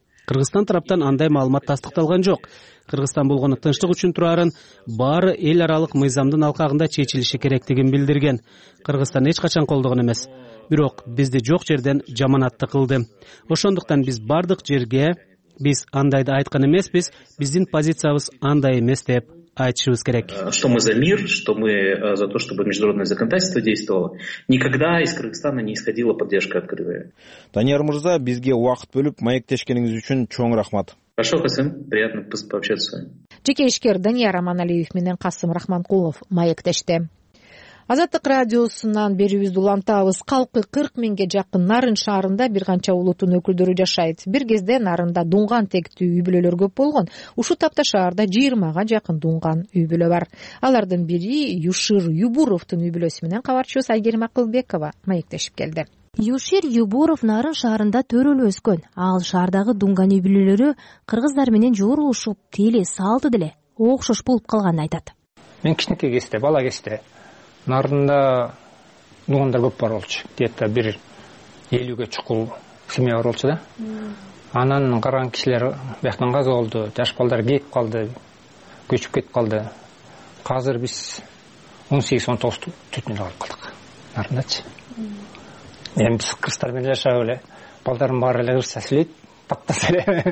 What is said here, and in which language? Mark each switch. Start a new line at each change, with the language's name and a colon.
Kyrgyz: Кыргызстан тараптан андай маалымат тастыкталган жок. Кыргызстан болгону тынчтык үчүн турарын баары эл аралык мыйзамдын алкагында чечилиши керектигин билдирген. Кыргызстан эч качан колдогон эмес. Бирок бизди жок жерден жаманатты кылды. Ошондуктан биз бардык жерге биз андайды айткан эмеспиз, биздин позициябыз андай эмес деп айтышыбыз керек.
Russian: Что мы за мир, что мы за то, чтобы международное законодательство действовало. Никогда из Кыргызстана не исходила поддержка открытая.
Kyrgyz: Данияр Мырза, бизге убакыт бөлүп маектешкениңиз үчүн чоң рахмат.
Russian: Хорошо, Касым, приятно пообщаться с вами.
Kyrgyz: Жеке ишкер Данияр Аманалиев менен Касым Рахманкулов маектеште. Азаттык радиосунан берүүбүздү улантабыз. Калкы 40 миңге жакын Нарын шаарында бир канча улуттун өкүлдөрү жашайт. Бир кезде Нарында дунган тектүү үй бүлөлөр көп болгон. Ушу тапта шаарда 20га жакын дунган үй бүлө бар. Алардын бири Юшир Юбуровдун үй бүлөсү менен кабарчыбыз Айгерим Акылбекова маектешип келди. Юшир Юбуров Нарын шаарында төрөлүп өскөн. Ал шаардагы дунган үй бүлөлөрү кыргыздар менен жоорулушуп, тили, салты деле окшош болуп калганын айтат. Мен кичинекей кезде, бала кезде Нарында дугандар көп бар болчу.
Russian: Где-то
Kyrgyz: бир 50ге чукул семья бар болчу да. Анан караган кишилер бияктан каза болду, жаш балдар кетип калды, көчүп кетип калды. Азыр биз 18-19 түтүндө калып калдык. Нарындачы. Эми биз кыргыздар менен жашап эле, балдарым баары эле кыргызча сүйлөйт, паттас эле.